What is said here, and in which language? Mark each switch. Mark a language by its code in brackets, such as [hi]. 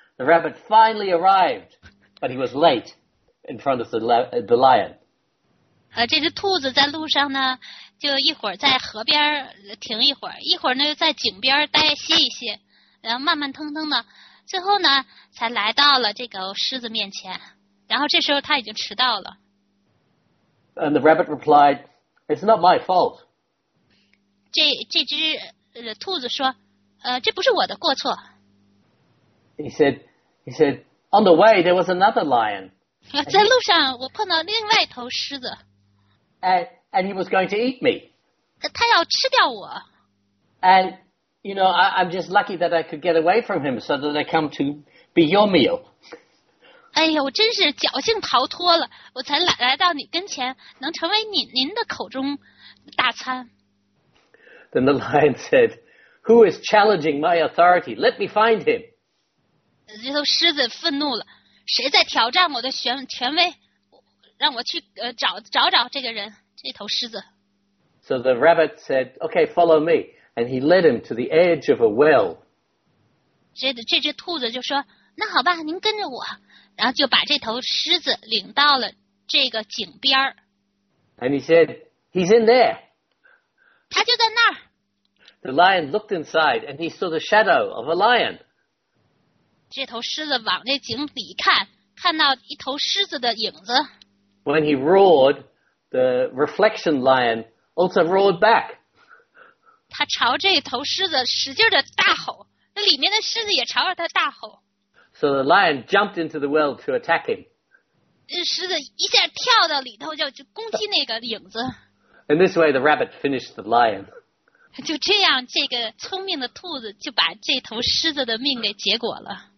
[en] The rabbit finally arrived, but he was late in front of the lion. [zh] 这只兔子在路上呢，就一会儿在河边停一会儿，一会儿呢又在井边待歇一歇，然后慢慢腾腾的，最后呢才来到了这个狮子面前。然后这时候他已经迟到了。 [en] And the rabbit replied, "It's not my fault." [zh] 这只兔子说，这不是我的过错。 [en] He said, "On the way, there was another lion." [zh] 在路上我碰到另外一头狮子。 [en] And he was going to eat me. [zh] 他要吃掉我。 [en] And, I'm just lucky that I could get away from him so that I come to be your meal. [zh] 哎呀，我真是侥幸逃脱了，我才来到你跟前，能成为您的口中大餐。 [en] Then the lion said, "Who is challenging my authority? Let me find him." [zh] 这头狮子愤怒了，谁在挑战我的权威？让我去找这个人。这头狮子。 [en] So the rabbit said, "Okay, follow me." And he led him to the edge of a well. [zh] 这只兔子就说，那好吧，您跟着我。然后就把这头狮子领到了这个井边。 [en] And he said, "He's in there." [zh] 他就在那儿。 [en] The lion looked inside and he saw the shadow of a lion. [zh] 这头狮子往这井里看到一头狮子的影子。 [en] When he roared,The reflection lion also roared back. [zh] 他朝这头狮子使劲的大吼，那里面的狮子也朝着他大吼。 [en] So the lion jumped into the well to attack him. [zh] 狮子一下跳到里头就攻击那个影子。 [en] In this way, the rabbit finished the lion. [zh] 就这样，这个聪明的兔子就把这头狮子的命给结果了。